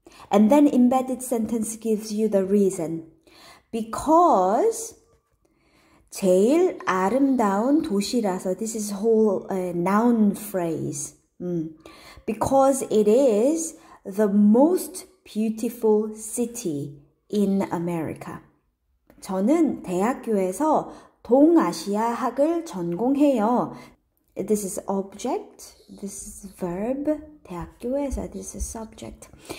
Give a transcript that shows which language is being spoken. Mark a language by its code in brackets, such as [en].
[en] And then embedded sentence gives you the reason. Because [ko] 제일 아름다운 도시라서 [en] this is whole noun phrase. Because it is the most beautiful city in America. [ko] 저는 대학교에서 동아시아학을 전공해요. [en] This is object, this is verb, [ko] 대학교에서 [en] this is subject.